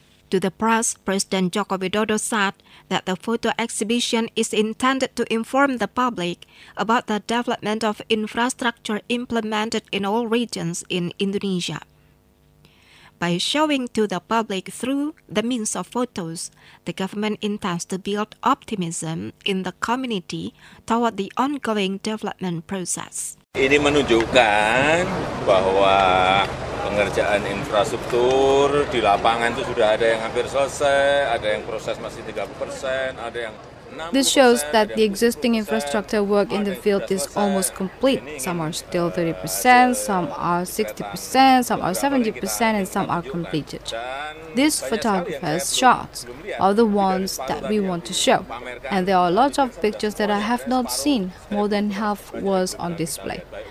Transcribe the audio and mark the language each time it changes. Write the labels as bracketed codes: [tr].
[en] To the press, President Joko Widodo said that the photo exhibition is intended to inform the public about the development of infrastructure implemented in all regions in Indonesia. By showing to the public through the means of photos, the government intends to build optimism in the community toward the ongoing development process. [id] Ini menunjukkan bahwa pengerjaan infrastruktur di lapangan itu sudah ada yang hampir selesai, ada yang proses masih 30%, ada yang 60%. [en] This shows that the existing infrastructure work in the field is almost complete. Some are still 30%, some are 60%, some are 70%, and some are completed. These photographers' shots are the ones that we want to show. And there are a lot of pictures that I have not seen. More than half was on display.